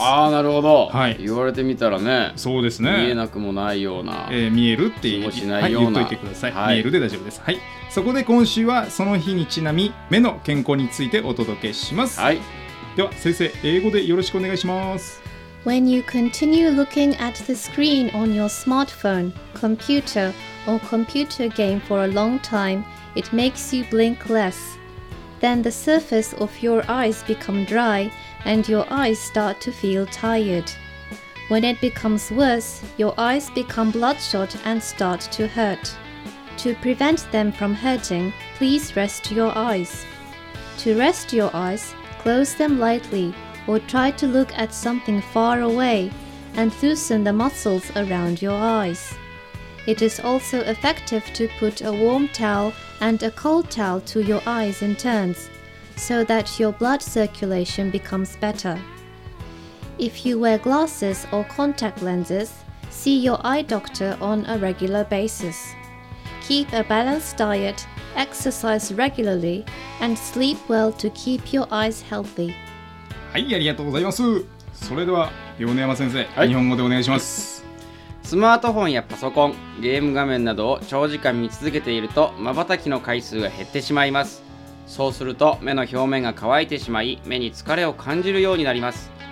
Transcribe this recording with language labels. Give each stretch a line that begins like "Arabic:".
Japanese: ああ、なるほど、はい、言われてみたらね、そうですね、見えなくもないような、見えるって気もしないような、はい、言っといてください、はい、見えるで大丈夫です。はい、そこで今週はその日にちなみ目の健康についてお届けします。はい、では先生、英語でよろしくお願いします。
English: When you continue looking at the screen on your smartphone, computer or computer game for a long time, it makes you blink lessThen the surface of your eyes become dry and your eyes start to feel tired. When it becomes worse, your eyes become bloodshot and start to hurt. To prevent them from hurting, please rest your eyes. To rest your eyes, close them lightly or try to look at something far away and loosen the muscles around your eyes. It is also effective to put a warm toweland a cold towel to your eyes in turns, so that your blood circulation becomes better. If you wear glasses or contact lenses, see your eye doctor on a regular basis. Keep a balanced diet, exercise regularly, and sleep well to keep your eyes healthy.
Japanese: はい、ありがとうございます。それでは、米山先生、はい、日本語でお願いします。スマートフォンやパソコン、ゲーム画面などを長時間見続けていると瞬きの回数が減ってしまいます。そうすると目の表面が乾いてしまい、目に疲れを感じるようになります。